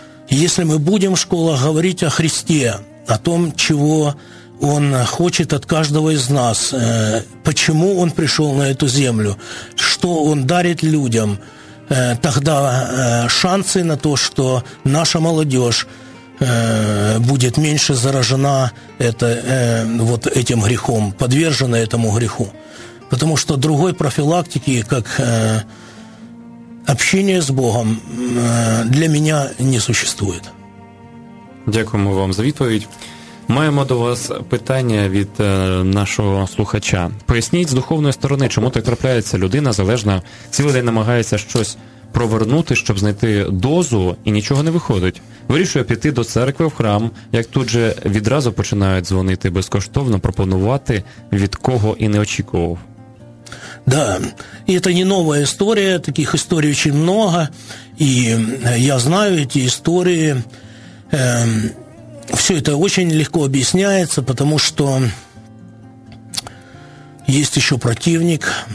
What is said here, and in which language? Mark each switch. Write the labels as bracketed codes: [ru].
[ru] если мы будем в школах говорить о Христе, о том, чего Он хочет от каждого из нас, почему Он пришел на эту землю, что Он дарит людям, тогда шансы на то, что наша молодежь будет меньше заражена вот этим грехом, подвержена этому греху. Потому что другой профилактики, как общение с Богом, для меня не существует. [uk] Дякуємо вам за відповідь. Маємо до вас питання від нашого слухача. Поясніть з духовної сторони, чому так трапляється, людина залежна, цілий день намагається щось провернути, щоб знайти дозу, і нічого не виходить. Вирішує піти до церкви в храм, як тут же відразу починають дзвонити безкоштовно, пропонувати, від кого і не очікував. [ru] Да, и это не новая история, таких историй очень много, и я знаю эти истории. Все это очень легко объясняется, потому что есть еще противник.